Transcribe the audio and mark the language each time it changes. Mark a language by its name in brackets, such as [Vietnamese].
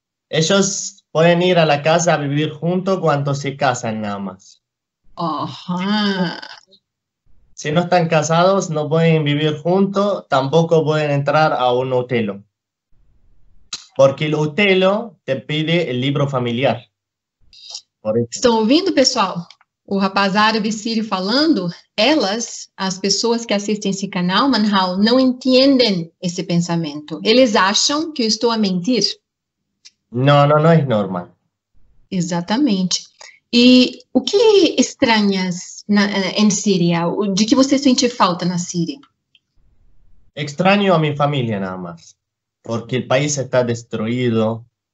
[Spanish] Ellos pueden ir a la casa a vivir juntos cuando se casan nada más. Ajá. Si no están casados, no pueden vivir juntos, tampoco pueden entrar a un hotelo. Porque el hotelo te pide el libro familiar. Por eso. [Portuguese] Estão ouvindo, pessoal? O rapaz árabe sírio falando? Elas, as pessoas que assistem esse canal, Manhal, não entendem esse pensamento. Eles acham que eu estou a mentir. [Spanish] No, es normal. [Portuguese] Exatamente. E o que estranhas em Síria? De que você sente falta na Síria? [Spanish] Extraño a mi familia nada más, porque el país está destruido.